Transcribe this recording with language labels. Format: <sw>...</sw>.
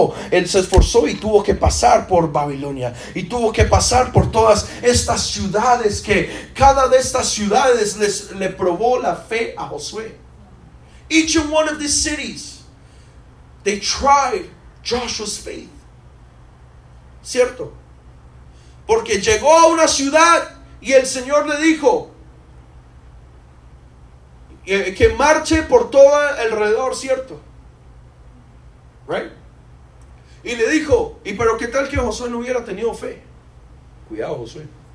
<es>Él se esforzó y tuvo que pasar por Babilonia, y tuvo que pasar por todas estas ciudades, que cada de estas ciudades le probó la fe a Josué.</es> <en>Each and one of these cities, they tried Joshua's faith.</en> <es>¿Cierto? Porque llegó a una ciudad y el Señor le dijo que marche por todo alrededor, ¿cierto? Right? Y le dijo, ¿y pero qué tal que Josué no hubiera tenido fe? Cuidado, Josué.</es>